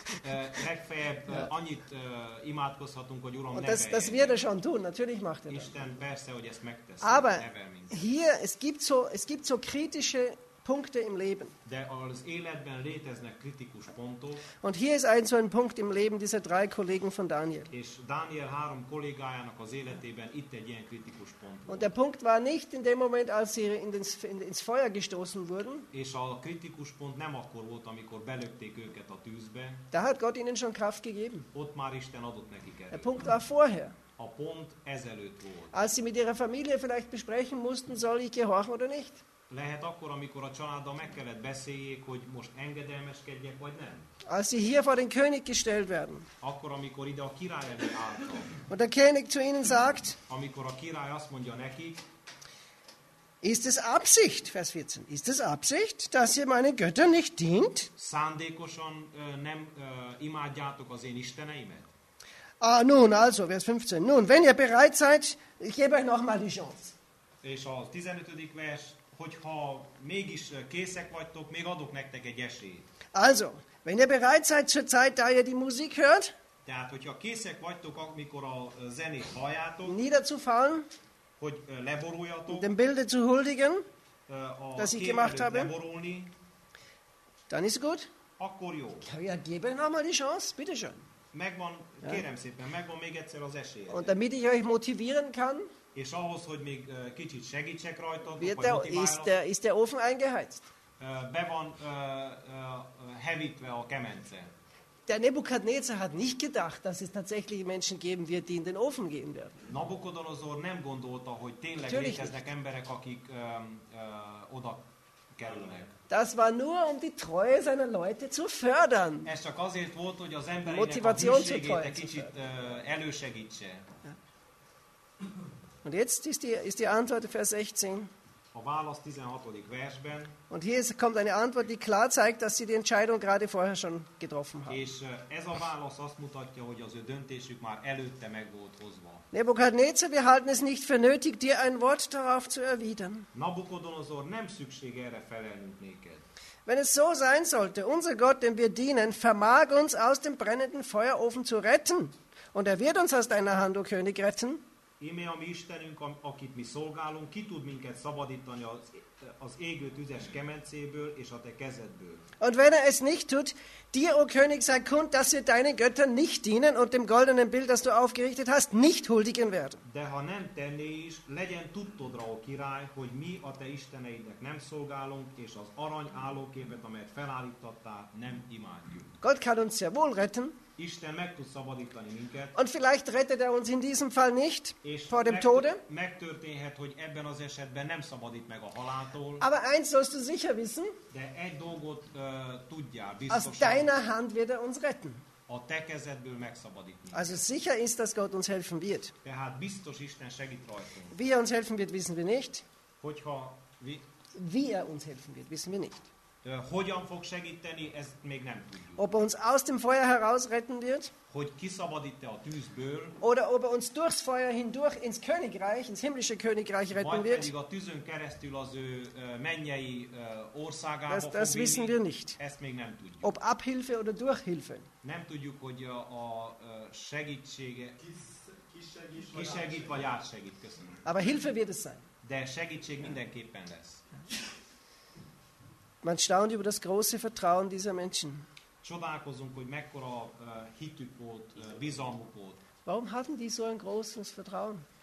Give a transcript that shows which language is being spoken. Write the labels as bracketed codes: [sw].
[hu] Legfeljebb annyit imádkozhatunk, hogy Uram, [de] und das, das wird er schon tun, natürlich macht er das. [hu] Isten persze, hogy ezt megtesz. [de] Aber hier, es gibt so kritische Punkte im Leben. [hu] De az életben léteznek kritikus pontok. [de] Und hier ist ein so ein Punkt im Leben dieser drei Kollegen von Daniel. [hu] És Daniel három kollégájának az életében itt egy ilyen kritikus pont. [de] Und der Punkt war nicht in dem Moment, als sie ins Feuer gestoßen wurden. [hu] És a kritikus pont nem akkor volt, amikor belöpték őket a tűzbe. [de] Da hat Gott ihnen schon Kraft gegeben. [hu] Ott már Isten adott nekik erőt. [de] Der Punkt war vorher. [hu] A pont ezelőtt volt. [de] Als sie mit ihrer Familie vielleicht besprechen mussten, soll ich gehorchen oder nicht? [hu] Lehet akkor, amikor a családdal meg kellett beszéljék, hogy most engedelmeskedjek, vagy nem. [de] Als sie hier vor den König gestellt werden. [hu] Akkor, amikor ide a király elé álltak. [de] Und der König zu ihnen sagt. [hu] Amikor a király azt mondja nekik. [de] Ist es Absicht, Vers 14, ist es Absicht, dass ihr meine Götter nicht dient? [hu] Szándékosan nem imádjátok az én isteneimet? [de] Ah, nun, also, Vers 15. Nun, wenn ihr bereit seid, ich gebe euch nochmal die Chance. [hu] És a 15. vers. Hogyha mégis készek vagytok, még adok nektek egy esélyt. [de] Also, wenn ihr bereit seid zur Zeit, da ihr die Musik hört, [hu] tehát, hogyha készek vagytok, amikor a zenét halljátok, [de] niederzufallen, [hu] hogy leboruljatok. [de] Dem Bilde zu huldigen, das ich gemacht habe. [hu] Leborulni. [de] Dann ist gut. [hu] Akkor jó. [de] Ja, gebe nochmal die Chance, bitteschön. [hu] Megvan, kérem szépen, megvan még egyszer az esélye. [de] Und damit ich euch motivieren kann, [hu] és ahhoz, hogy még kicsit segítsek rajtad, [de] ist der Ofen eingeheizt? [hu] Be van hevítve a kemence. [de] Der Nebukadnezar hat nicht gedacht, dass es tatsächlich Menschen geben wird, die in den Ofen gehen werden. [hu] Nabukodonosor nem gondolta, hogy tényleg léteznek emberek, akik oda kerülnek. [de] Das war nur, um die Treue seiner Leute zu fördern. [hu] Ez csak azért volt, hogy az embereinek a hűségét egy kicsit elősegítse. [de] Und jetzt ist die Antwort Vers 16. [hu] A válasz 16. versben. [de] Und hier kommt eine Antwort, die klar zeigt, dass sie die Entscheidung gerade vorher schon getroffen haben. [hu] És ez a válasz azt mutatja, hogy az ő döntésük már előtte meg volt hozva. [de] Nebukadnezar, wir halten es nicht für nötig, dir ein Wort darauf zu erwidern. [hu] Nabukodonosor, nem szükség erre felelnünk néked. [de] Wenn es so sein sollte, unser Gott, dem wir dienen, vermag uns aus dem brennenden Feuerofen zu retten. Und wird uns aus deiner Hand, o König, retten. [hu] Íme a mi Istenünk, akit mi szolgálunk, ki tud minket szabadítani az égő tüzes kemencéből és a te kezedből. [de] Und wenn es nicht tut, dir, o König, sei kund, dass wir deinen Göttern nicht dienen und dem goldenen Bild, das du aufgerichtet hast, nicht huldigen werden. [hu] De ha nem tenné is, legyen tudtodra, o király, hogy mi a te isteneidnek nem szolgálunk, és az arany állóképet, amelyet felállítottál, nem imádjuk. [de] Gott kann uns sehr wohl retten. [hu] Isten meg tud szabadítani minket. [de] Und vielleicht rettet uns in diesem Fall nicht vor dem Tode. [hu] Megtörténhet, hogy ebben az esetben nem szabadít meg a haláltól. [de] Aber eins sollst du sicher wissen. [hu] De egy dolgot tudjál biztosan. [de] Aus deiner Hand wird uns retten. [hu] A te kezedből megszabadít minket. [de] Also sicher ist, dass Gott uns helfen wird. [hu] Tehát biztos Isten segít rajtunk. [de] Wie uns helfen wird, wissen wir nicht. Wie uns helfen wird, wissen wir nicht. [hu] Hogyan fog segíteni, ezt még nem tudjuk. [de] Ob uns aus dem Feuer heraus retten wird? [hu] Hogy kiszabadít-e a tűzből? [de] Oder ob uns durchs Feuer hindurch ins Königreich, ins himmlische Königreich retten wird? [hu] Vagy pedig a tűzön keresztül az ő mennyei országába fog vinni? [de] Das wissen wir nicht. [hu] Ezt még nem tudjuk. [de] Ob Abhilfe oder Durchhilfe? [hu] Nem tudjuk, hogy a segítsége kisegít vagy átsegít, köszönöm. [de] Aber Hilfe wird es sein. [hu] De segítség mindenképpen lesz. [de] Man staunt über das große Vertrauen dieser Menschen. [hu] Csodálkozunk, hogy mekkora hitük volt, bizalmuk volt. [de] Warum hatten die so ein großes Vertrauen?